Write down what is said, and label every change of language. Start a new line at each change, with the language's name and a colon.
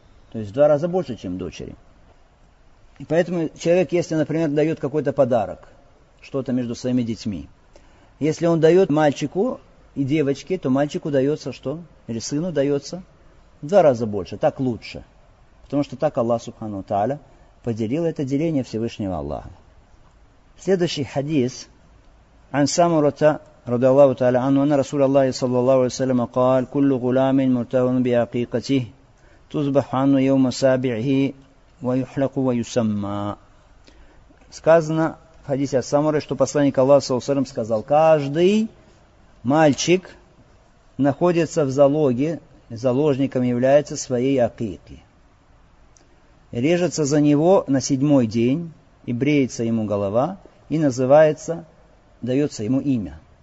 Russian: То есть в два раза больше, чем дочери. И поэтому человек, если, например, дает какой-то подарок, что-то между своими детьми. Если он дает мальчику и девочке, то мальчику дается что? Или сыну дается в два раза больше. Так лучше. Потому что так Аллах субхану тааля поделил это деление Всевышнего Аллаха. Следующий хадис.
Arabic: «Ан самурата رضي الله تعالى عنه أن رسول الله صلى الله عليه وسلم قال كل غلام مرتهى بعقيقته تذبح عنه يوم سابعه ويحلق ويسمى.
Russian: Сказано в хадисе от Самуры, что посланник Аллаха
Arabic: صلى الله عليه وسلم
Russian: сказал, каждый мальчик находится в залоге, заложником является своей акики. Режется за него на седьмой день и бреется ему голова и называется, дается ему имя.